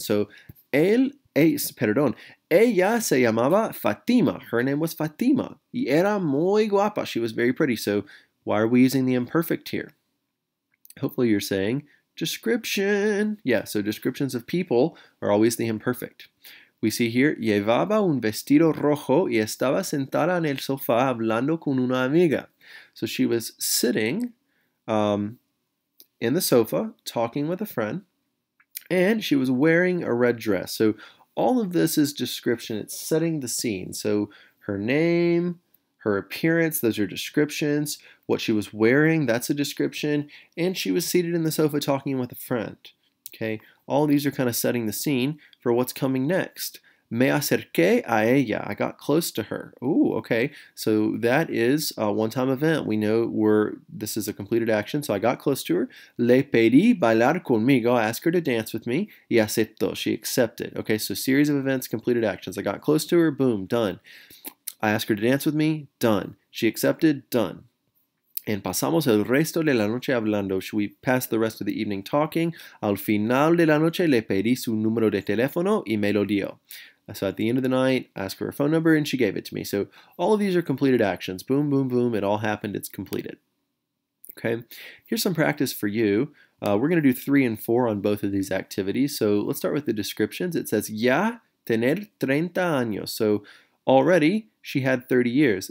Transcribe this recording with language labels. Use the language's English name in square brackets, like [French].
[Spanish] So ella se llamaba Fatima. [English] Her name was Fatima. [Spanish] Y era muy guapa. [English] She was very pretty. So why are we using the imperfect here? Hopefully you're saying description. Yeah, so descriptions of people are always the imperfect. We see here, [Spanish] llevaba un vestido rojo y estaba sentada en el sofá hablando con una amiga. [English] So she was sitting in the sofa talking with a friend. And she was wearing a red dress. So all of this is description. It's setting the scene. So her name, her appearance, those are descriptions. What she was wearing, that's a description. And she was seated in the sofa talking with a friend. Okay, all of these are kind of setting the scene for what's coming next. [Spanish] Me acerqué a ella. [English] I got close to her. Ooh, okay. So that is a one-time event. We know where this is a completed action. So I got close to her. [Spanish] Le pedí bailar conmigo. [English] I asked her to dance with me. [Spanish] Y aceptó. [English] She accepted. Okay, so series of events, completed actions. I got close to her. Boom, done. I asked her to dance with me. Done. She accepted. Done. And [Spanish] pasamos el resto de la noche hablando. [English] Should we pass the rest of the evening talking? [Spanish] Al final de la noche le pedí su número de teléfono y me lo dio. [English] So at the end of the night, I asked for her phone number and she gave it to me. So all of these are completed actions. Boom, boom, boom. It all happened. It's completed. Okay. Here's some practice for you. We're going to do 3 and 4 on both of these activities. So let's start with the descriptions. It says, [Spanish] ya tener 30 años. [English] So already she had 30 years.